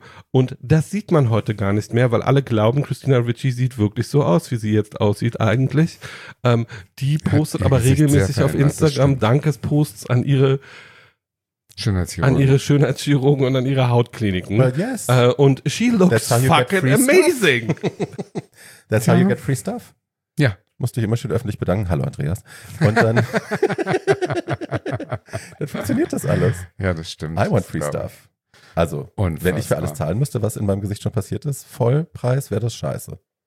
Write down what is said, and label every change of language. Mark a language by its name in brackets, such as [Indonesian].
[German] Und das sieht man heute gar nicht mehr, weil alle glauben, Christina Ricci sieht wirklich so aus, wie sie jetzt aussieht eigentlich. Die postet aber regelmäßig auf Instagram Dankesposts an ihre Schönheitschirurgen und an ihre Hautkliniken. [English] Well, yes. Und she looks fucking amazing. That's how you get free stuff? [German] Ja. Musst du dich immer schön öffentlich bedanken. Hallo, Andreas. Und dann, dann funktioniert das alles. Ja, das stimmt. [English] I want free stuff. [German] Also, unfassbar. Wenn ich für alles zahlen müsste, was in meinem Gesicht schon passiert ist, Vollpreis, wäre das scheiße.